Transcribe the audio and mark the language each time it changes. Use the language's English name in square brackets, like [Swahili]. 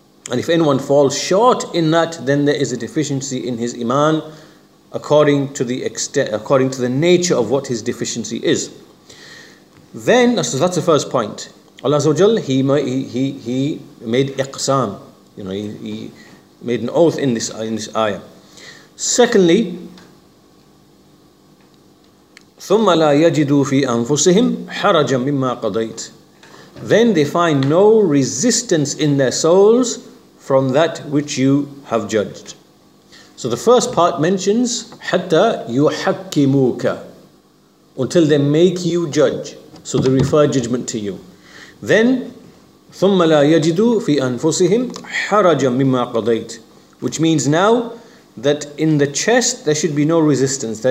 [English] And if anyone falls short in that, then there is a deficiency in his iman according to the extent, according to the nature of what his deficiency is. Then, so that's the first point, Allah Azza wa Jal, he made iqsam, you know, he made an oath in this ayah. Secondly, [Arabic] ثم لا يجدوا في أنفسهم حرجا مما قضيت. [English] Then they find no resistance in their souls from that which you have judged. So the first part mentions [Arabic] حتى يحكموك, [English] until they make you judge. So they refer judgment to you. Then [Arabic] ثم لا يجدوا في أنفسهم حرجا مما قضيت, [English] which means now that in the chest there should be no resistance.